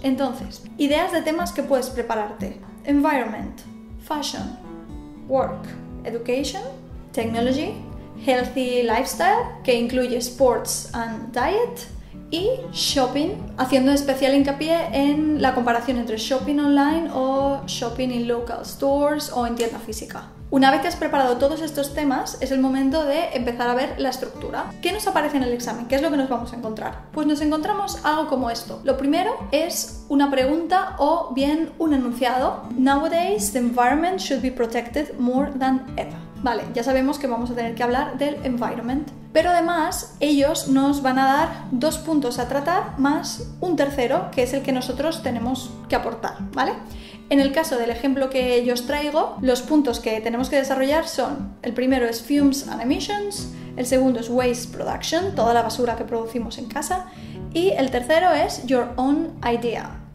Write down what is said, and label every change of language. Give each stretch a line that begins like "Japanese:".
Spanish: Entonces, ideas de temas que puedes prepararte.
English: Environment, fashion, work, education, technology, healthy lifestyle,
Spanish: que incluye
English: sports and diet,
Spanish: y shopping, haciendo especial hincapié en la comparación entre
English: shopping online
Spanish: o
English: shopping in local stores
Spanish: o en tienda física. Una vez que has preparado todos estos temas, es el momento de empezar a ver la estructura. ¿Qué nos aparece en el examen? ¿Qué es lo que nos vamos a encontrar? Pues nos encontramos algo como esto. Lo primero es una pregunta o bien un enunciado.
English: Nowadays, the environment should be protected more than ever.
Spanish: Vale, ya sabemos que vamos a tener que hablar del environment. Pero además, ellos nos van a dar dos puntos a tratar más un tercero, que es el que nosotros tenemos que aportar, ¿vale? En el caso del ejemplo que yo os traigo, los puntos que tenemos que desarrollar son: el primero es
English: fumes and emissions,
Spanish: el segundo es
English: waste production,
Spanish: toda la basura que producimos en casa, y el tercero es
English: your own idea.